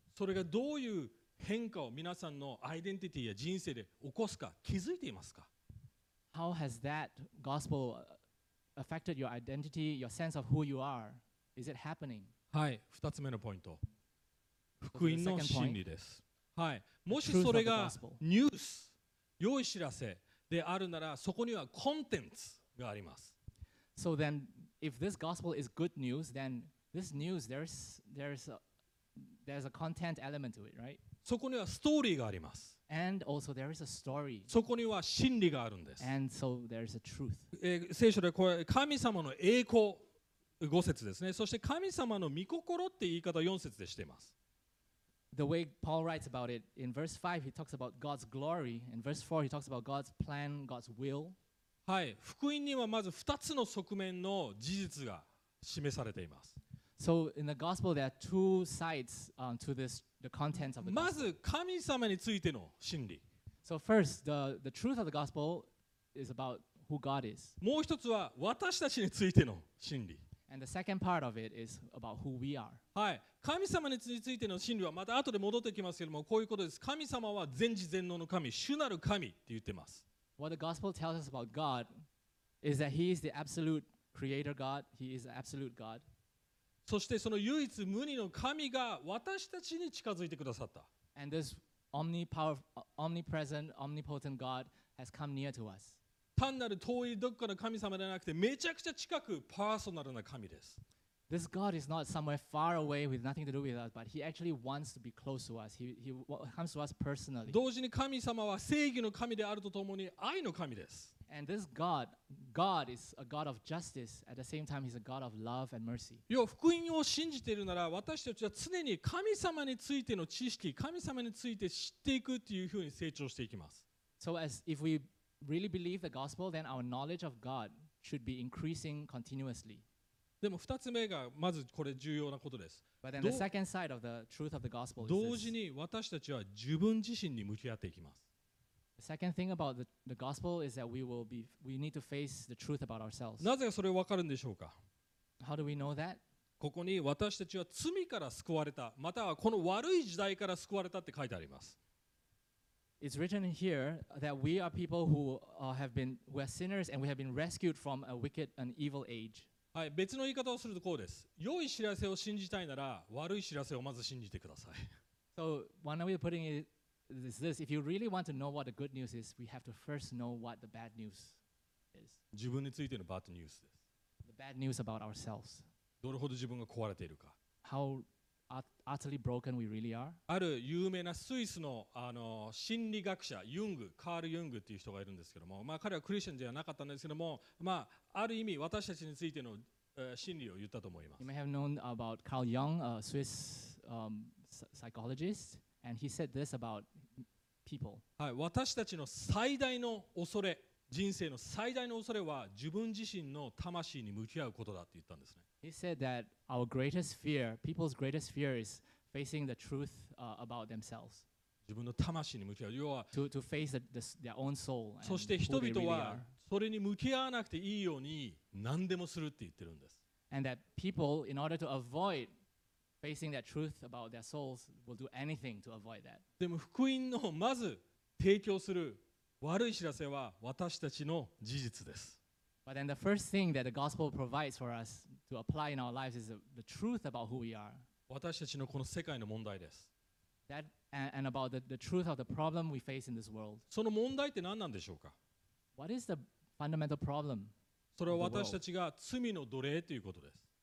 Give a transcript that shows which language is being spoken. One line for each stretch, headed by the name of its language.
Japanese: それがどういう変化を皆さんのアイデンティティや人生で起こすか、気づいていますか?
English: How has that gospel affected your identity, your sense of who you are? Is it happening?
Japanese: はい、二つ目のポイント。福音の真理です。はい、もしそれがニュース。良い知らせであるならそこにはコンテンツがあります。
English: So then, if this gospel is good news, then this news, there's a content element to it, right?
Japanese: そこにはストーリーがあります。
English: And also there is a story.
Japanese: そこには真理があるんです。
English: And so there's a truth.
Japanese: 聖書でこれ神様の栄光5節ですね。そして神様の御心って言い方4節でしています。
English: The way Paul writes about it, in verse 5, he talks about God's glory. In verse 4, he talks about God's plan, God's will.
Japanese: はい、福音にはまず2つの側面の事実が示されています。
English: So, in the gospel, there are two sides, to this, the contents of the gospel.
Japanese: まず、神様についての真理。
English: So, first, the truth of the gospel is about who God is.
Japanese: もう一つは、私たちについての真理。
English: And the second part of it is about who we are.
Japanese: はい。神様についての真理はまた後で戻ってきますけれども、こういうことです。神様は全知全能の神、主なる神って言ってます。
English: What the gospel tells us about God is that He is the absolute creator God. He is the absolute God.
Japanese: そしてその唯一無二の神が私たちに近づいてくださった。
English: And this omnipresent, omnipotent God has come near to us.
Japanese: 単なる遠いどこかの神様ではなくて、めちゃくちゃ近くパーソナルな神です。
English: This God is not somewhere far away with nothing to do with us, but He actually wants to be close to us. He comes to us personally.
Japanese: 同時に神様は正義の神であるとともに愛の神です。
English: And this God is a God of justice. At the same time, He's a God of love and mercy.
Japanese: 要は福音を信じているなら、私たちは常に神様についての知識、神様について知っていくというふうに成長していきます。
English: So as if weReally believe the gospel, then our knowledge of God should be increasing continuously.
Japanese: でも二つ目がまずこれ重要なことです。
English: But then the second side of the truth of the gospel is this.
Japanese: 同時に私たちは自分自身に向き合っていきます。
English: The second thing about the gospel is that we need to face the truth about ourselves.
Japanese: なぜそれわかるんでしょうか。
English: How do we know that?
Japanese: ここに私たちは罪から救われた、またはこの悪い時代から救われたって書いてあります。
English: It's written here that we are people who have been, we are sinners and we have been rescued from a wicked and evil age.
Japanese: はい、別の言い方をするとこうです。良い知らせを信じたいなら、悪い知らせをまず信じてください。
English: So one way of putting it is this. If you really want to know what the good news is, we have to first know what the bad news is.
Japanese: 自分についての
English: bad news
Japanese: です。
English: The bad news about ourselves.
Japanese: どれほど自分が壊れているか。
English: How utterly broken we really are.
Japanese: ある有名なスイスの心理学者ユング、カール・ユングっていう人がいるんですけども、まあ彼はクリスチャンではなかったんですけども、まあある意味私たちについての真理を言ったと思います。
English: You may have known about Carl Jung, a Swiss psychologist, and he said this about people.
Japanese: はい、私たちの最大の恐れ、人生の最大の恐れは自分自身の魂に向き合うことだって言ったんですね。
English: He said that our greatest fear, people's greatest fear is facing the truth about themselves.
Japanese: 自分の魂に向き合う。要は、
English: to face their own soul.
Japanese: そして人々はそれに向き合わなくていいように何でもするって言ってるんです。
English: And that people, in order to avoid facing that truth about their souls, will do anything to avoid that.
Japanese: でも福音のまず提供する悪い知らせは私たちの事実です。
English: But then the first thing that the gospel provides for us to apply in our lives is the truth about who we are.
Japanese: 私たちのこの世界の問題です。
English: That and about the truth of the problem we face in this world.
Japanese: その問題って何なんでしょうか。
English: What is the fundamental problem?
Japanese: それは私たちが罪の奴隷ということです。